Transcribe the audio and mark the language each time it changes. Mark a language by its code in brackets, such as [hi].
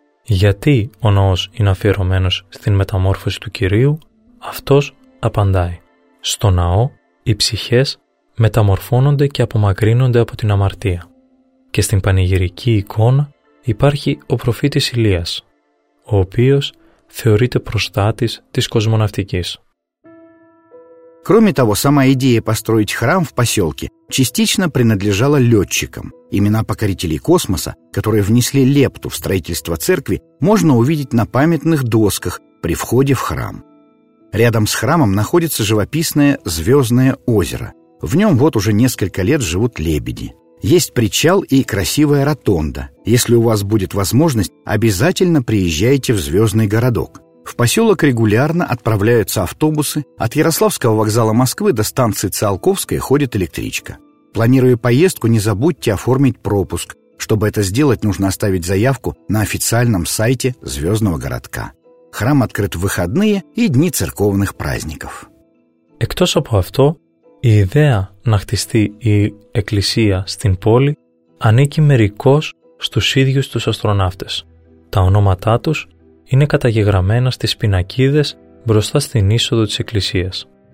[el] Γιατί ο ναός είναι αφιερωμένος στην μεταμόρφωση του Κυρίου, αυτός απαντάει. Στο ναό οι ψυχές μεταμορφώνονται και απομακρύνονται από την αμαρτία. Και στην πανηγυρική εικόνα υπάρχει ο προφήτης Ηλίας, ο οποίος θεωρείται προστάτης της κοσμοναυτικής. [ru] Кроме того, сама идея построить храм в поселке частично принадлежала летчикам. Имена покорителей космоса, которые внесли лепту в строительство церкви, можно увидеть на памятных досках при входе в храм. Рядом с храмом находится живописное Звездное озеро. В нем вот уже несколько лет живут лебеди. Есть причал и красивая ротонда. Если у вас будет возможность, обязательно приезжайте в Звездный городок. В поселок регулярно отправляются автобусы. От Ярославского вокзала Москвы до станции Циолковская ходит электричка. Планируя поездку, не забудьте оформить пропуск. Чтобы это сделать, нужно оставить заявку на официальном сайте Звездного городка. Храм открыт в выходные и дни церковных праздников. [el] Εκτός από αυτό, η ιδέα να χτιστεί η εκκλησία στην πόλη ανήκει μερικώς στους ίδιους τους αστροναύτες. Τα ονόματά τους είναι καταγεγραμμένα στις πινακίδες μπροστά στην είσοδο της εκκλησίας.